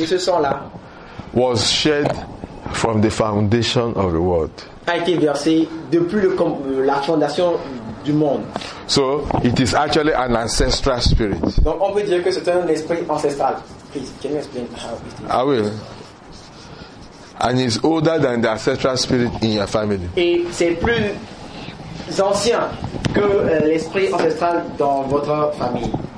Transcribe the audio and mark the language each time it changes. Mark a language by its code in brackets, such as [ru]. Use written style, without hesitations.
[fr] Et ce sang là. [en] Was shed. From the foundation of the world. [fr] A été versé depuis la fondation du monde. [en] So it is actually an ancestral spirit. [fr] Donc on peut dire que c'est un esprit ancestral. [en] Please, can you explain how it is? I will. And it's older than the ancestral spirit in your family. [fr] Et c'est plus ancien que l'esprit ancestral dans votre famille.